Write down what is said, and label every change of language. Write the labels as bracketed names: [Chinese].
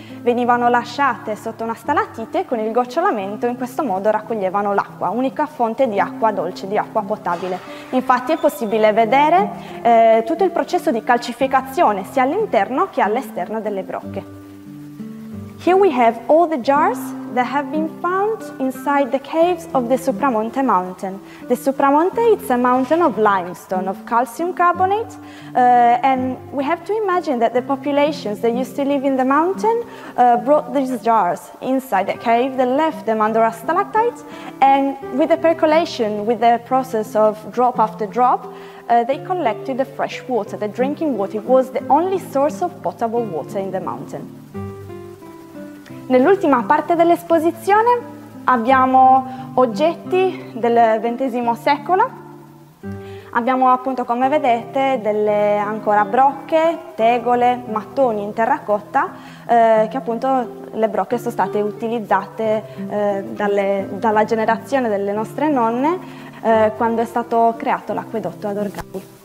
[Italian] Venivano lasciate sotto una stalattite e con il gocciolamento in questo modo raccoglievano l'acqua, unica fonte di acqua dolce, di acqua potabile. Infatti è possibile vedere tutto il processo di calcificazione sia all'interno che all'esterno delle brocche. [English] Here we have all the jars that have been found inside the caves of the Supramonte Mountain. The Supramonte is a mountain of limestone, of calcium carbonate, and we have to imagine that the populations that used to live in the mountain brought these jars inside the cave, they left them under a stalactite, and with the percolation, with the process of drop after drop, they collected the fresh water, the drinking water. It was the only source of potable water in the mountain. [Italian] Nell'ultima parte dell'esposizione abbiamo oggetti del XX secolo, abbiamo appunto, come vedete, delle ancora brocche, tegole, mattoni in terracotta, che appunto le brocche sono state utilizzate dalla generazione delle nostre nonne quando è stato creato l'acquedotto a Dorgali.